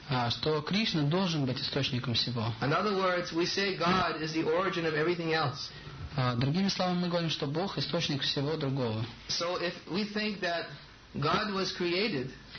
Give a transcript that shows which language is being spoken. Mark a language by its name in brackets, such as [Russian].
[Russian] Что Кришна должен быть источником всего. [English] In other words, we say God is the origin of everything else. [Russian] Другими словами, мы говорим, что Бог источник всего другого. [English] So if we think that God was created,